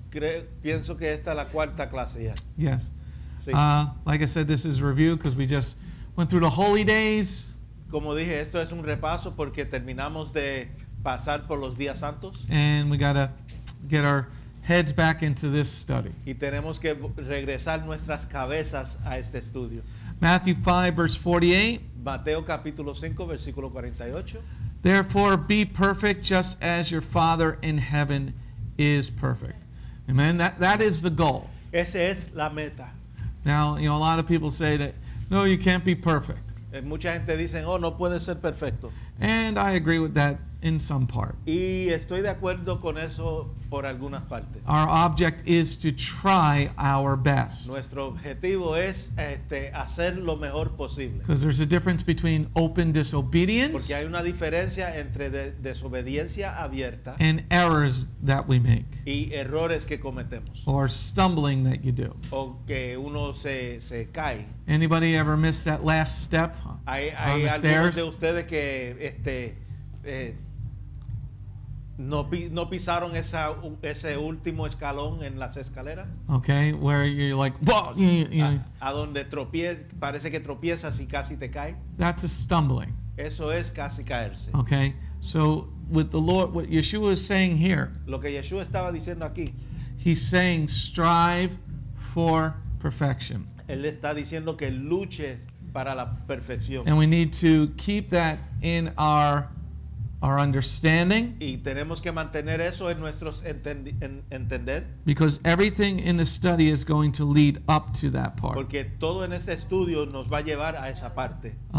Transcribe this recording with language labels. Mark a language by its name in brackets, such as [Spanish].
[Spanish] Pienso que esta es la cuarta clase, [English] yes. Yes. Like I said, this is a review because we just went through the holy days. [Spanish] Como dije, esto es un repaso porque terminamos de pasar por los días santos. [English] And we gotta get our heads back into this study. [Spanish] Y tenemos que regresar nuestras cabezas a este estudio. [English] Matthew 5, verse 48. [Spanish] Mateo capítulo 5, versículo 48. [English] Therefore, be perfect just as your Father in heaven is perfect. Amen? That is the goal. [Spanish] Ese es la meta. [English] Now, you know, a lot of people say that, no, you can't be perfect. [Spanish] Mucha gente dicen, oh, no puede ser perfecto. [English] And I agree with that in some part. [Spanish] Y estoy de acuerdo con eso por algunas partes. [English] Our object is to try our best. [Spanish] Nuestro objetivo es hacer lo mejor posible. [English] Because there's a difference between open disobedience. [Spanish] Porque hay una diferencia entre desobediencia abierta. [English] And errors that we make. [Spanish] Y errores que cometemos. [English] Or stumbling that you do. [Spanish] O que uno se cae. [English] Anybody ever miss that last step on the stairs? [Spanish] Hay algunos de ustedes que no pisaron ese último escalón en las escaleras. [English] Okay, where you're like, whoa, [Spanish] a donde parece que tropiezas y casi te cae. [English] That's a stumbling. [Spanish] Eso es casi caerse. [English] Okay, so with the Lord, what Yeshua is saying here. [Spanish] Lo que Yeshua estaba diciendo aquí. [English] He's saying strive for perfection. [Spanish] Él está diciendo que luche para la perfección. [English] And we need to keep that in our understanding. [Spanish] Y tenemos que mantener eso en nuestros entender. [English] Because everything in the study is going to lead up to that part. [Spanish] Porque todo en este estudio nos va a llevar a esa parte.